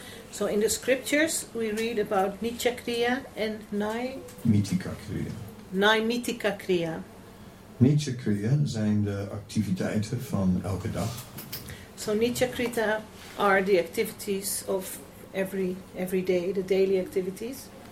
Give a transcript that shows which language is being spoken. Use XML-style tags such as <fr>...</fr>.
<en>So in the scriptures we read about Nitya Kriya and Naimitika Kriya. Naimitika Kriya.</en> <nl>Nitya Kriya zijn de activiteiten van elke dag.</nl> <en>So Nitya Kriya are the activities of every day, the daily activities.</en>